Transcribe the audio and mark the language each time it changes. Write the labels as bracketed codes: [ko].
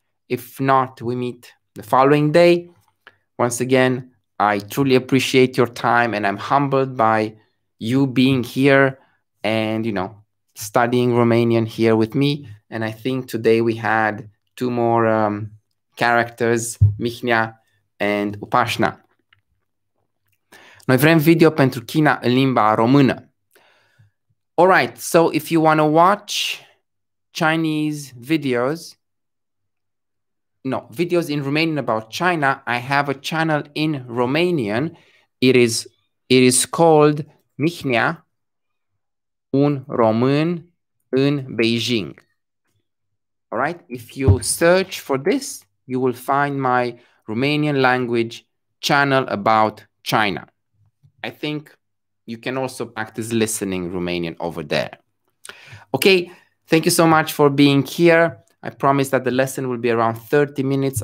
[en] If not, we meet the following day. Once again, I truly appreciate your time and I'm humbled by you being here and, you know, studying Romanian here with me. And I think today we had two more characters, Mihnea and Upashna. [ro] Noi vrem video pentru China în limba română. [en] All right, so if you want to watch Chinese videos, no, videos in Romanian about China, I have a channel in Romanian. It is called Mihnea, un român în Beijing. All right, if you search for this, you will find my Romanian language channel about China. I think you can also practice listening Romanian over there. Okay, thank you so much for being here. I promise that the lesson will be around 30 minutes.